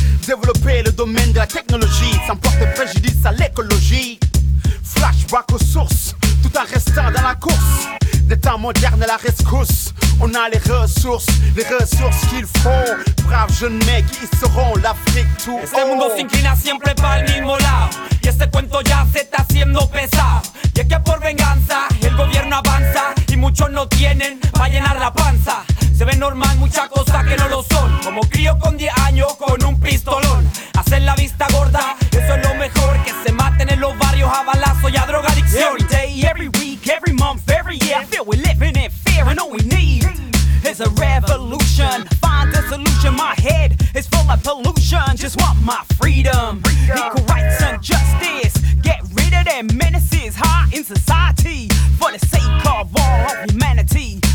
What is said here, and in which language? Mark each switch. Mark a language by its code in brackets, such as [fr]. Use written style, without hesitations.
[fr] Développer le domaine de la technologie, sans porter préjudice à l'écologie. Flashback aux sources, tout en restant dans la course. Des temps modernes à la rescousse, on a les ressources qu'il faut. Braves jeunes mecs, ils seront l'Afrique tout haut. [es] Este mundo s'inclina siempre para el mismo lado, y este cuento ya se está haciendo pesado. Y es que por venganza, el gobierno avanza, y muchos no tienen pa' llenar la panza. Se ve normal muchas cosas que no lo son, como crío con 10 años con un pistolón. Hacer la vista gorda, eso es lo mejor, que se maten en los barrios a balazo y a drogadicción. [en] Every day, every week, every month, every year, I feel we're living in fear. And all we need is a revolution, find a solution. My head is full of pollution, just want my freedom, equal rights and justice. Get rid of them menaces high in society, for the sake of all of humanity.